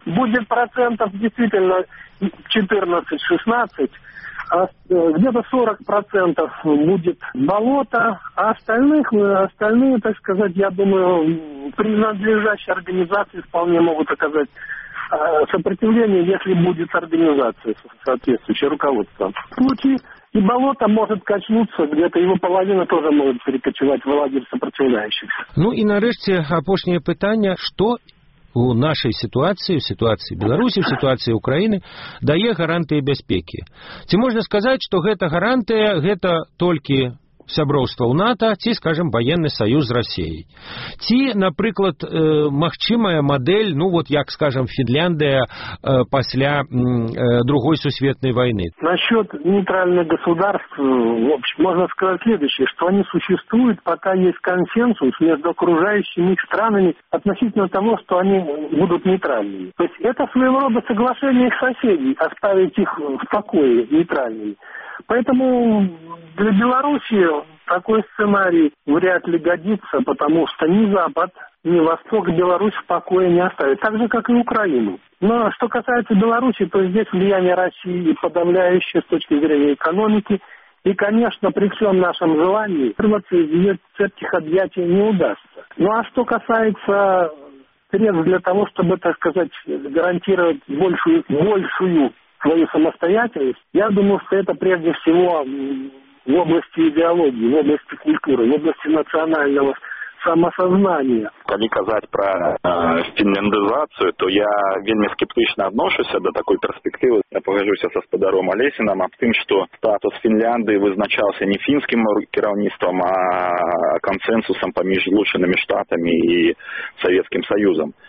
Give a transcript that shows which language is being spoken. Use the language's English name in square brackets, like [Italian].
[Russian] Будет процентов действительно 14-16, а где-то 40% будет болото, а остальные, так сказать, я думаю, принадлежащие организации вполне могут оказать сопротивление, если будет организация соответствующая, руководство. В случае и болото может качнуться, где-то его половина тоже может перекочевать в лагерь сопротивляющихся. [Ukrainian] Ну и нареште опошнее питание, что [Belarusian] у нашай сітуацыі, у сітуацыі Беларусі, у сітуацыі Украіны дае гарантыі бяспекі. Ці можна сказаць, што гэта гарантыя, гэта толькі сяброўства ў НАТО, ці, скажам, ваенны саюз з Расіяй. Ці, напрыклад, магчымая мадэль, ну вот як, скажам, Фінляндыя пасля другой сусветнай вайны. [Russian] Насчёт нейтральных государств, в общем, можна сказаць следующее, што они существуют, пока есть консенсус между окружающими их странами относительно того, что они будут нейтральными. То есть это своего рода соглашение их соседей, оставить их в покое нейтральными. Поэтому для Белоруссии такой сценарий вряд ли годится, потому что ни Запад, ни Восток Беларусь в покое не оставит. Так же, как и Украину. Но что касается Беларуси, то здесь влияние России подавляющее с точки зрения экономики. И, конечно, при всем нашем желании вырваться из ее цепких объятий не удастся. Ну а что касается средств для того, чтобы, так сказать, гарантировать большую свою самостоятельность, я думаю, что это прежде всего в области идеологии, в области культуры, в области национального самосознания. [Belarusian] Калі казаць пра фінляндызацыю, то я вельмі скептычна адношуся да такой перспектывы. Я пагаджуся са спадаром Алесіным аб тым, што статус Фінляндыі вызначаўся не фінскім кіраўніцтвам, а кансэнсусам паміж злучанымі штатамі і Савецкім Саюзам.